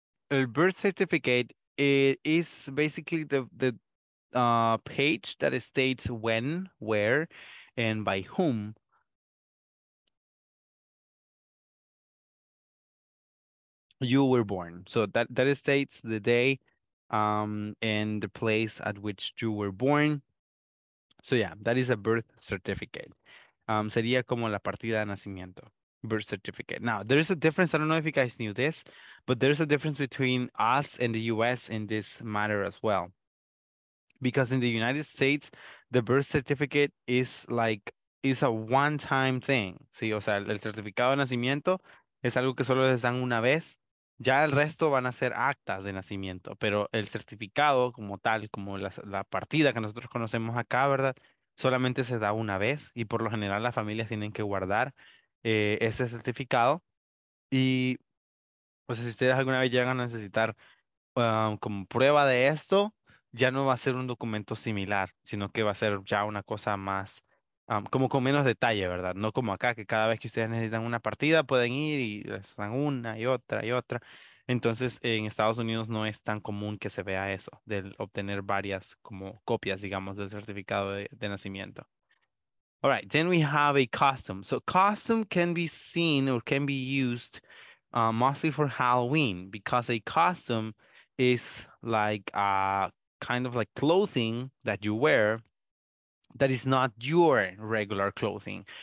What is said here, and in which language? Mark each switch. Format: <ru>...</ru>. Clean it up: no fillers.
<en>A birth certificate, it is basically the page that states when, where, and by whom. You were born. So that states the day and the place at which you were born. So yeah, that is a birth certificate.</en> <es>Sería como la partida de nacimiento, birth certificate.</es> <en>Now, there is a difference, I don't know if you guys knew this, but there's a difference between us and the US in this matter as well. Because in the United States, the birth certificate is a one-time thing.</en> <es>Sí, o sea, el certificado de nacimiento es algo que solo les dan una vez. Ya el resto van a ser actas de nacimiento, pero el certificado como tal, como la partida que nosotros conocemos acá, ¿verdad? solamente se da una vez y por lo general las familias tienen que guardar ese certificado. Y pues si ustedes alguna vez llegan a necesitar como prueba de esto, ya no va a ser un documento similar, sino que va a ser ya una cosa más, como con menos detalle, ¿verdad? No como acá, que cada vez que ustedes necesitan una partida pueden ir y les dan una y otra y otra. Entonces, en Estados Unidos no es tan común que se vea eso, del obtener varias como copias, digamos, del certificado de nacimiento.</es> <en>All right, then we have a costume. So costume can be seen or can be used mostly for Halloween, because a costume is like a kind of like clothing that you wear that is not your regular clothing.</en>